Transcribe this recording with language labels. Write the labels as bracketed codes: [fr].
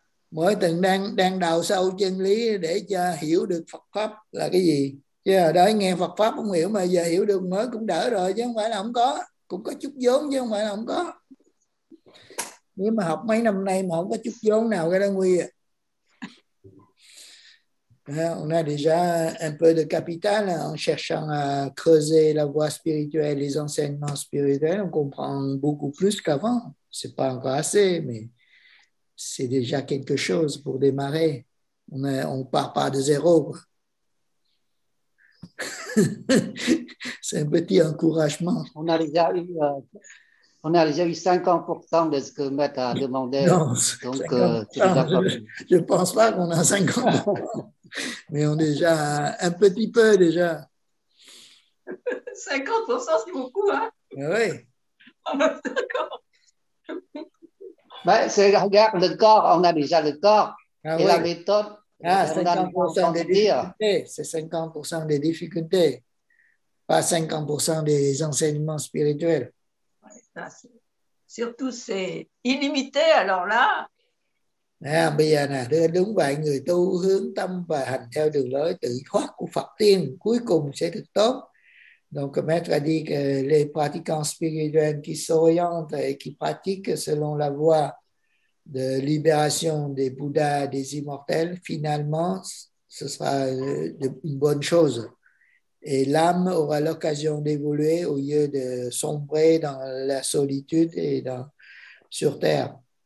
[vi] Mỗi tuần đang đào sâu chân lý để cho hiểu được Phật pháp là cái gì. Chứ là đó nghe Phật pháp không hiểu mà giờ hiểu được mới cũng đỡ rồi chứ không phải là không có. Cũng có chút vốn chứ không phải là không có. Nếu mà học mấy năm nay mà không có chút vốn nào cái đó nguy à. [fr] On a déjà un peu de capital en cherchant à creuser la voie spirituelle, les enseignements spirituels. On comprend beaucoup plus qu'avant. Ce n'est pas encore assez, mais c'est déjà quelque chose pour démarrer. On ne part pas de zéro. C'est un petit encouragement. On a déjà eu, 50% de ce que Maître a demandé. Non, donc, je ne pense pas qu'on a 50%. Mais on est déjà un petit peu déjà. 50% c'est beaucoup, hein? Oui. Mais c'est regarde le corps, on a déjà le corps et la méthode. Ah, 50% des difficultés. C'est 50% des difficultés, pas 50% des enseignements spirituels. Surtout c'est illimité, alors là. [vi] Bây giờ nè, đúng vậy, người tu hướng tâm và hành theo đường lối tự thoát của Phật tiên cuối cùng sẽ được tốt. [fr] Donc maître a dit que les pratiquants spirituels qui s'orientent et qui pratiquent selon la voie de libération des Bouddhas et des immortels, finalement ce sera une bonne chose et l'âme aura l'occasion d'évoluer au lieu de sombrer dans la solitude et dans, sur terre.